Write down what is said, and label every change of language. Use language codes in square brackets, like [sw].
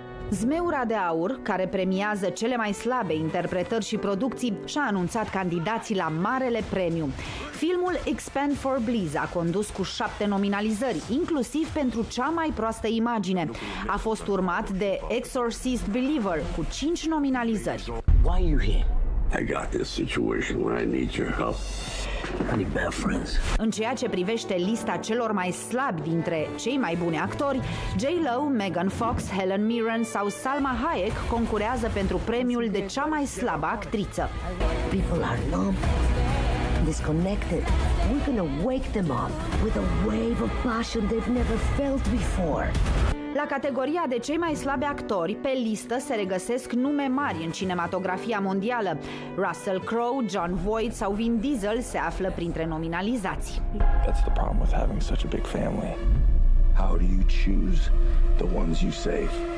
[ro] Zmeura de Aur, care premiază cele mai slabe interpretări și producții, și-a anunțat candidații la Marele Premiu. Filmul Expand for Bliss a condus cu 7 nominalizări, inclusiv pentru cea mai proastă imagine. A fost urmat de Exorcist Believer cu 5 nominalizări. [en] Why are you here? I got this situation where I need your help. [ro] În ceea ce privește lista celor mai slabi dintre cei mai buni actori, J.Lo, Megan Fox, Helen Mirren sau Salma Hayek concurează pentru premiul de cea mai slabă actriță. [en] People are numb, disconnected. We're gonna wake them up with a wave of passion they've never felt before. [ro] La categoria de cei mai slabi actori, pe listă se regăsesc nume mari în cinematografia mondială. Russell Crowe, John Voight sau Vin Diesel se află printre nominalizați. [en] That's the problem with having such a big family. How do you choose the ones you save?